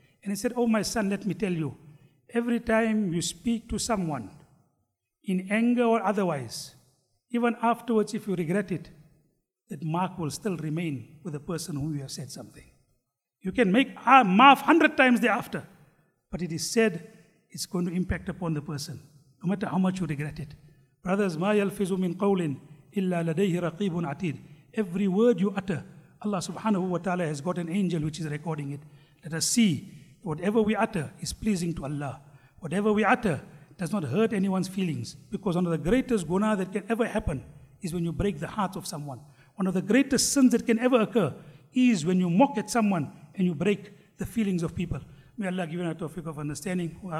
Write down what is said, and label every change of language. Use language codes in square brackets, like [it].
[en] And he said, "Oh, my son, let me tell you, every time you speak to someone, in anger or otherwise, even afterwards, if you regret it, that mark will still remain with the person whom you have said something. You can make a maaf 100 times thereafter, but it is said, it's going to impact upon the person, no matter how much you regret it." Brothers, [ar] مَا يَلْفِزُ مِنْ قَوْلٍ إِلَّا لَدَيْهِ رَقِيبٌ عَتِيدٌ. [en] Every word you utter, Allah subhanahu wa ta'ala has got an angel which is recording it. Let us see, whatever we utter is pleasing to Allah. Whatever we utter does not hurt anyone's feelings, because one of the greatest guna that can ever happen is when you break the heart of someone. One of the greatest sins that can ever occur is when you mock at someone and you break the feelings of people. May Allah give you a tawfiq of understanding.